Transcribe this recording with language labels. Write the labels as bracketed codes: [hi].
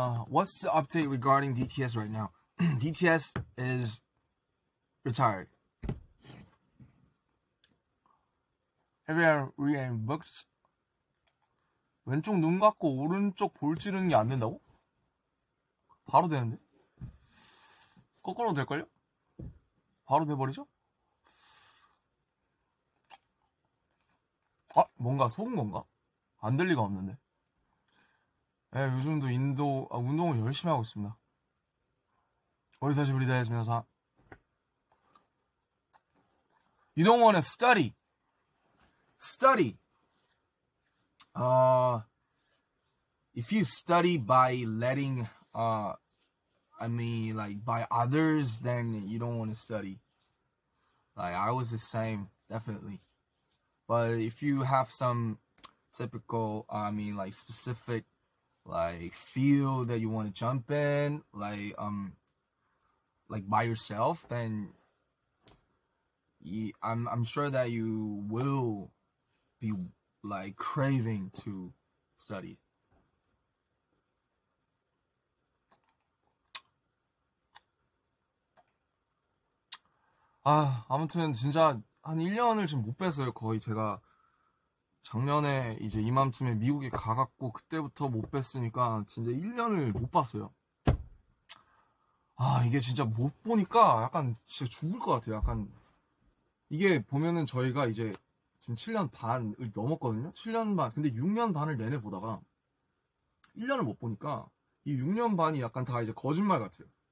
[en] what's the update regarding DTS right now? DTS is retired. Everyone reading books. [ko] 왼쪽 눈 갖고 오른쪽 볼 찌르는 게안 된다고? 바로 되는데? 거꾸로 될걸요? 바로 돼버리죠? 아, 뭔가 속은 건가? 안 될 리가 없는데. 네, 요즘도 운동을 열심히 하고 있습니다. 어디서지 브리드 해주면서 [en] You don't wanna study. Study. If you study by letting, like by others, then you don't wanna study. Like, I was the same, definitely. But if you have some typical, like specific like feel that you want to jump in like by yourself then I'm sure that you will be like craving to study [ko] 아 아무튼 진짜 한 1년을 지금 못 뺐어요 거의 제가 작년에 이제 이맘쯤에 미국에 가갖고 그때부터 못 뵀으니까 진짜 1년을 못 봤어요. 아, 이게 진짜 못 보니까 약간 진짜 죽을 것 같아요. 약간 이게 보면은 저희가 이제 지금 7년 반을 넘었거든요. 7년 반. 근데 6년 반을 내내 보다가 1년을 못 보니까 이 6년 반이 약간 다 이제 거짓말 같아요.